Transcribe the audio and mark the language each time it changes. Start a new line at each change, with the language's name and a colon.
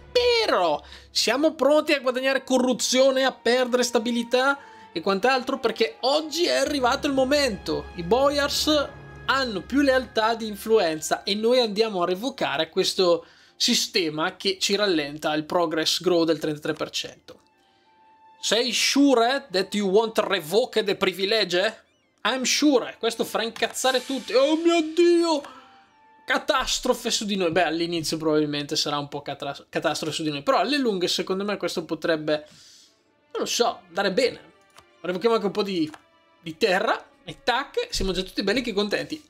Italian: Però siamo pronti a guadagnare corruzione, a perdere stabilità e quant'altro, perché oggi è arrivato il momento. I Boyars hanno più lealtà di influenza e noi andiamo a revocare questo sistema che ci rallenta il
English: progress grow
Italian: del 33%.
English: Sei sure that you want revoke the privilege? I'm sure.
Italian: Questo farà incazzare tutti. Oh mio Dio! Catastrofe su di noi. Beh, all'inizio probabilmente sarà un po' catastrofe su di noi, però alle lunghe secondo me questo potrebbe, non lo so, dare bene. Revochiamo anche un po' di terra e tac, siamo già tutti belli che contenti.